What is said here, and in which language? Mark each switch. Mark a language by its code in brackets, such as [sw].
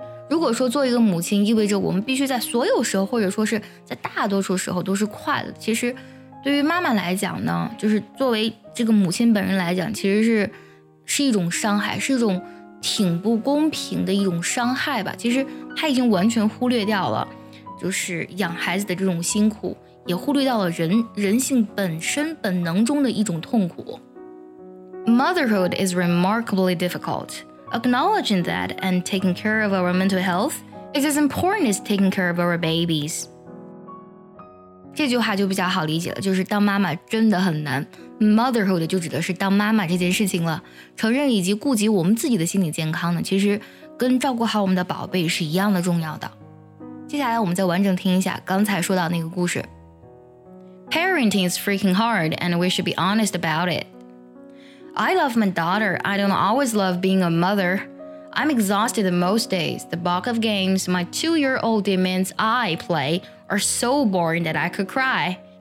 [zh] 如果说做一个母亲意味着我们必须在所有时候或者说是在大多数时候都是快乐，其实对于妈妈来讲呢，就是作为这个母亲本人来讲，其实是一种伤害，是一种挺不公平的一种伤害吧。其实他已经完全忽略掉了就是养孩子的这种辛苦，也忽略到了人性本身本能中的一种痛苦。 [en] Motherhood is remarkably difficult. Acknowledging that and taking care of our mental health is as important as taking care of our babies. [zh] 这句话就比较好理解了，就是当妈妈真的很难。Motherhood 就指的是当妈妈这件事情了。承认以及顾及我们自己的心理健康呢，其实跟照顾好我们的宝贝是一样的重要的。接下来我们再完整听一下刚才说到那个故事。 [en] Parenting is freaking hard, and we should be honest about it. I love my daughter. I don't always love being a mother. I'm exhausted most days. The box of games my 2-year-old demands I play are so boring that I could cry.